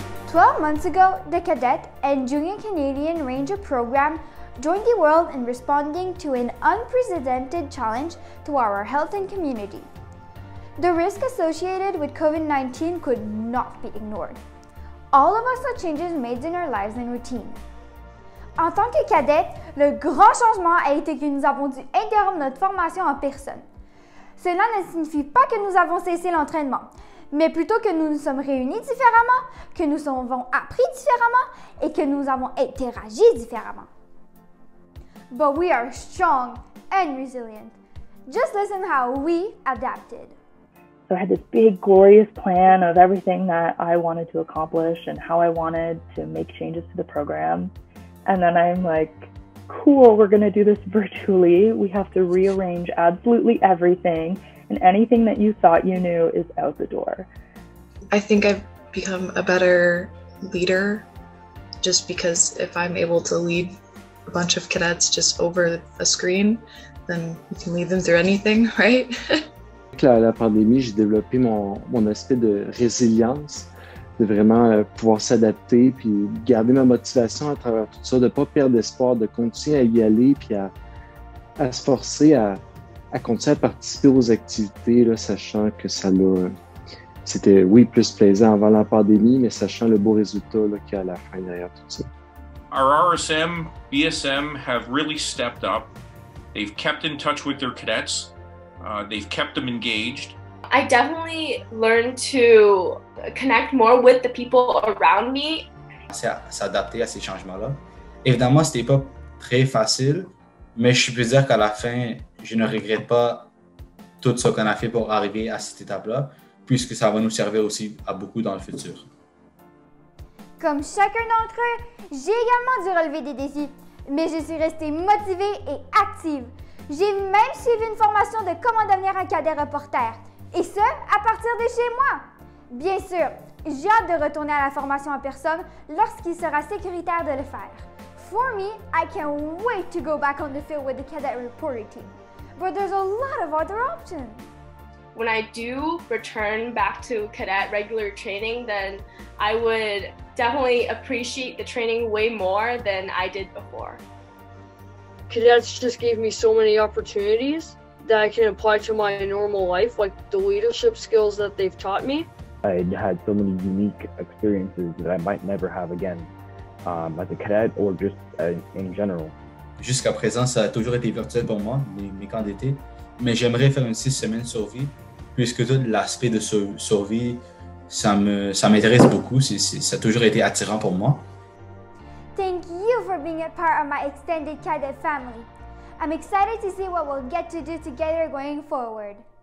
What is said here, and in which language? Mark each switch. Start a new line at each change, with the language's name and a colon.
English: Twelve months ago, the Cadet and Junior Canadian Ranger program joined the world in responding to an unprecedented challenge to our health and community. The risk associated with COVID-19 could not be ignored. All of us saw changes made in our lives and routine.
French: En tant que cadet, le grand changement a été que nous avons dû interrompre notre formation en personne. Cela ne signifie pas que nous avons cessé l'entraînement, mais plutôt que nous nous sommes réunis différemment, que nous avons appris différemment et que nous avons interagi différemment.
English: But we are strong and resilient. Just listen how we adapted. So I had this big, glorious plan of everything that I wanted to accomplish and how I wanted to make changes to the program. And then I'm like, cool, we're going to do this virtually. We have to rearrange absolutely everything. And anything that you thought you knew is out the door. I think I've become a better leader just because if I'm able to lead a bunch of cadets just over a screen, then you can lead them through anything, right?
French: Avec la pandémie, j'ai développé mon aspect de résilience, de vraiment pouvoir s'adapter puis garder ma motivation à travers tout ça, de ne pas perdre espoir, de continuer à y aller puis à se forcer à continuer à participer aux activités, là, sachant que ça l'a. C'était, oui, plus plaisant avant la pandémie, mais sachant le beau résultat là, qu'il y a à la fin derrière tout ça.
English: Our RSM, BSM have really stepped up. They've kept in touch with their cadets. They've kept them engaged. I definitely learned to connect more with the people around me.
French: S'adapter à ces changements-là. Évidemment, c'était pas très facile, mais je peux dire qu'à la fin, je ne regrette pas tout ce qu'on a fait pour arriver à cette étape-là, puisque ça va nous servir aussi à beaucoup dans le futur. Comme chacun d'entre eux, j'ai également dû relever des défis, mais je suis restée motivée et active. J'ai même suivi une formation de comment devenir un cadet reporter, et ce, à partir de chez moi. Bien sûr, j'ai hâte de retourner à la formation en personne lorsqu'il sera sécuritaire de le faire.
English: For me, I can't wait to go back on the field with the cadet reporting team. But there's a lot of other options. When I do return back to cadet regular training, then I would definitely appreciate the training way more than I did before. Cadets just gave me so many opportunities that I can apply to my normal life, like the leadership skills that they've taught me. I had so many unique experiences that I might never have again as a cadet or just in general.
French: Jusqu'à présent, ça a toujours été virtuel pour moi, mes camps d'été, mais j'aimerais faire une 6 semaines de survie, puisque tout l'aspect de survie, ça m'intéresse beaucoup, ça a toujours été attirant pour moi.
English: Thank you for being a part of my extended cadet family. I'm excited to see what we'll get to do together going forward.